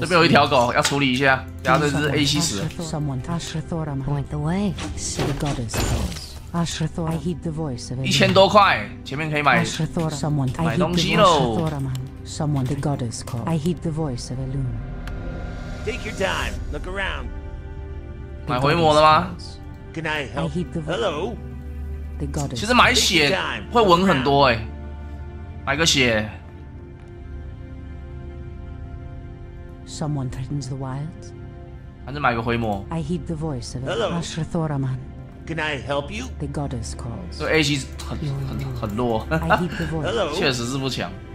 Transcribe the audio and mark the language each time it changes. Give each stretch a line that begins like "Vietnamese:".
Chinese: 这边有一条狗要处理一下，然后这只 AC 死了。
English: Someone, Ashrathoraman, point the way. The goddess calls. Ashrathoraman, I heed the voice of.
Chinese: 1000多块，前面可以买买东西喽。
English: Someone, the goddess calls. I heed the voice of Elune. Take your time. Look around.
Chinese: 买回魔了吗
English: ？Can I help? I heed the voice. Hello. The goddess.
Chinese: 其实买血会稳很多哎，买个血。
English: Someone threatens the wilds.
Chinese: 还是买个回魔。
English: I heed the voice of Ashrathoraman. Can I help you? The goddess calls.
Chinese: 这 AC 很弱。
English: I heed the voice. Hello.
Chinese: 确实是不强。